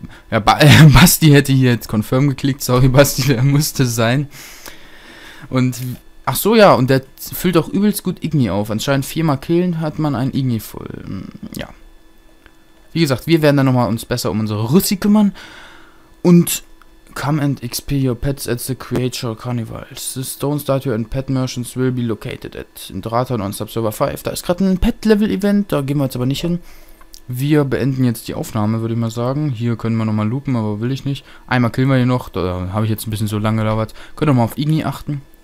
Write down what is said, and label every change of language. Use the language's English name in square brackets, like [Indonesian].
[German] Ja, Basti hätte hier jetzt Confirm geklickt. Sorry, Basti, der musste sein. Und, ach so, ja, und der füllt auch übelst gut Igni auf. Anscheinend viermal killen hat man einen Igni voll. Ja. Wie gesagt, wir werden dann nochmal uns besser um unsere Rüssi kümmern. Und... [English] Come and XP your pets at the Creature Carnivals. The Stone Statue and Pet Merchants will be located at Indratan on Subserver 5. [German] Da ist gerade ein Pet-Level-Event, da gehen wir jetzt aber nicht hin. Wir beenden jetzt die Aufnahme, würde ich mal sagen. Hier können wir nochmal loopen, aber will ich nicht. Einmal killen wir hier noch, da habe ich jetzt ein bisschen so lange gelabert. Könnt ihr mal auf Igni achten.